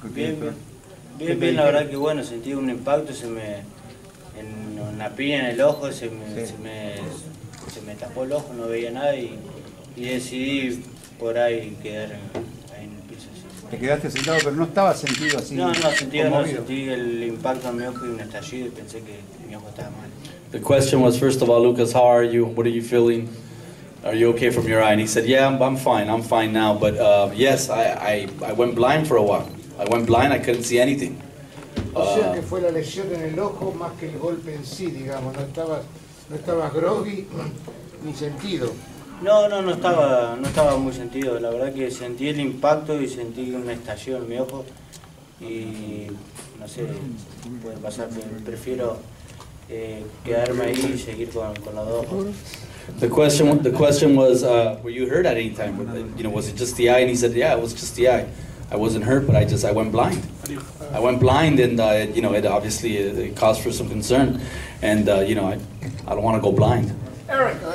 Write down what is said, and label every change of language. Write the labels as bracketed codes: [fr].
[es] Bien, la verdad que bueno, sentí un impacto, una piña en el ojo, se me tapó el ojo, no veía nada y decidí por ahí quedar ahí en el piso así. Te quedaste sentado, pero no estaba sentido así. No sentí el impacto en mi ojo y un estallido y pensé que mi ojo estaba mal. [en] The question was, first of all, Lucas, how are you? What are you feeling? Are you okay from your eye? And he said, yeah, I'm fine now. But yes, I went blind for a while. I went blind, I couldn't see anything. [es] O sea que fue la lesión en el ojo más que el golpe en sí, digamos. No estaba groggy ni sentido. No estaba muy sentido. La verdad que sentí el impacto y sentí una estallido en mi ojo. Y no sé, puede pasar, prefiero quedarme ahí y seguir con los dos ojos. [en] The question was, were you hurt at any time? You know, was it just the eye? And he said, yeah, it was just the eye. I wasn't hurt, but I went blind. I went blind, and you know, it obviously it caused for some concern. And you know, I don't want to go blind. Eric.